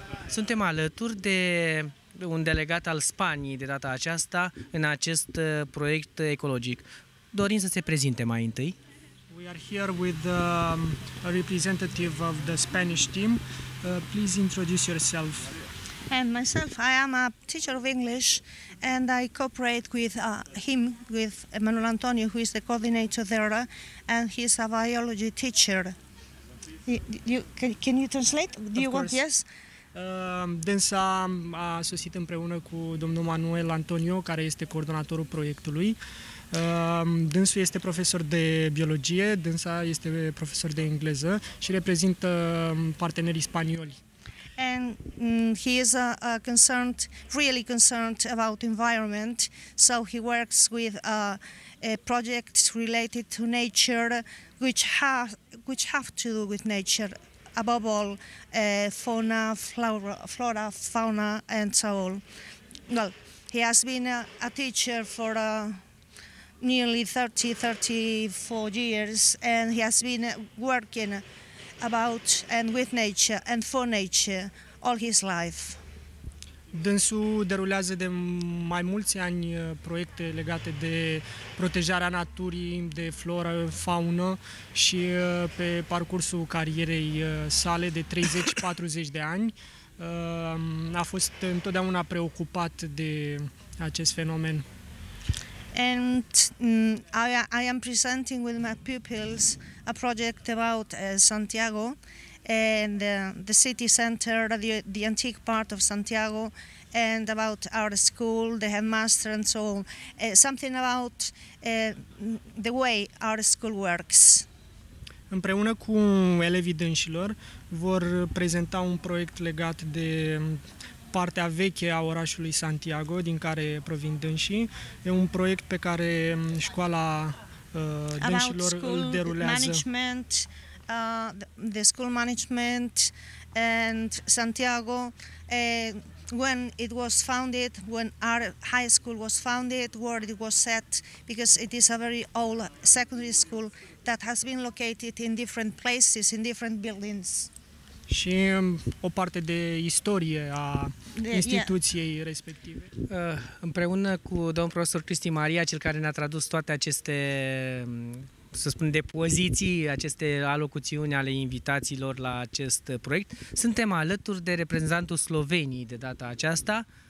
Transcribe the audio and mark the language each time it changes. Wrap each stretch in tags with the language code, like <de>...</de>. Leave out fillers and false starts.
<ro>Suntem alături de un delegat al Spaniei de data aceasta în acest proiect ecologic. Dorim să se prezinte mai întâi.</ro> <en>We are here with a representative of the Spanish team. Please introduce yourself. And myself, I am a teacher of English and I cooperate with him, with Emmanuel Antonio, who is the coordinator there, and he is a biology teacher. Can you translate? Do of you course. Want? Yes.</en> <ro>Dânsa a sosit împreună cu domnul Manuel Antonio, care este coordonatorul proiectului. Dânsul este profesor de biologie, dânsa este profesor de engleză și reprezintă partenerii spanioli.</ro> <en>And he is concerned, really concerned about environment, so he works with projects related to nature, which have to do with nature, above all fauna, flora, fauna, and so on. Well, he has been a teacher for nearly 34 years, and he has been working about and with nature and for nature all his life.</en> <ro>Dânsu derulează de mai mulți ani proiecte legate de protejarea naturii, de floră, faună și pe parcursul carierei sale de 30-40 de ani a fost întotdeauna preocupat de acest fenomen.</ro> <en>And I am presenting with my pupils a project about Santiago and the city center, the antique part of Santiago, and about our school, the headmaster, and so on. Something about the way our school works.</en> <ro>Împreună cu elevii dânșilor vor prezenta un proiect legat de partea veche a orașului Santiago, din care provin dânșii. E un proiect pe care școala dânșilor îl derulează.</ro> <en>Management, the school management and Santiago, when it was founded, when our high school was founded, where it was set, because it is a very old secondary school that has been located in different places, in different buildings.</en> <ro>Și o parte de istorie a instituției respective. Împreună cu domnul profesor Cristi Maria, cel care ne-a tradus toate aceste, să spun, depoziții, aceste alocuțiuni ale invitațiilor la acest proiect, suntem alături de reprezentantul Sloveniei de data aceasta.</ro>